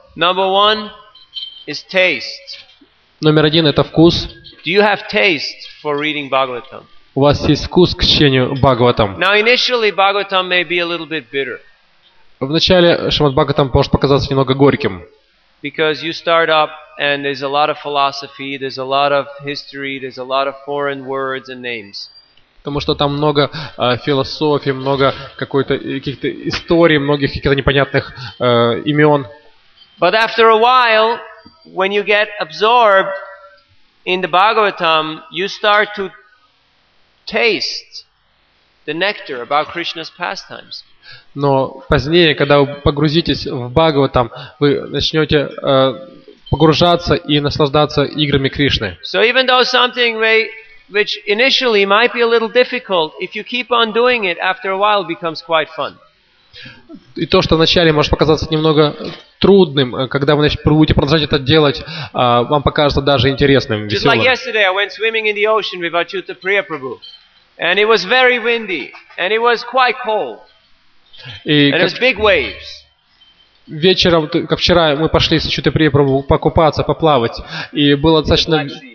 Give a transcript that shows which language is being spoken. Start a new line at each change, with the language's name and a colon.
English: Number one is taste.
Russian: Номер один – это вкус.
English: Do you have taste for reading Bhagavatam?
Russian: У вас есть вкус к чтению Бхагаватам.
English: Now initially Bhagavatam may be a little bit bitter.
Russian: Вначале Шримад Бхагаватам может показаться немного горьким.
English: Because you start up and there's a lot of philosophy, there's a lot of history, there's a lot of foreign words and names.
Russian: Потому что там много философии, много какой-то каких-то историй, многих каких-то непонятных имен.
English: But after a while, when you get absorbed in the Bhagavatam, you start to taste the nectar about Krishna's pastimes.
Russian: Но позднее, когда вы погрузитесь в Бхагаватам, вы начнете погружаться и наслаждаться играми Кришны.
English: So even though something may which initially might be a little difficult, if you keep on doing it, after a while it becomes quite fun.
Russian: И то, что вначале может показаться немного трудным, когда вы будете продолжать это делать, вам покажется даже интересным, веселым.
English: Just like yesterday, I went swimming in the ocean with Achyuta Priya Prabhu, and it was very windy, and it was quite cold, and it was big waves.
Russian: Вечером, как вчера, мы пошли с Ачютой Прия Прабху покупаться, поплавать, и было достаточно...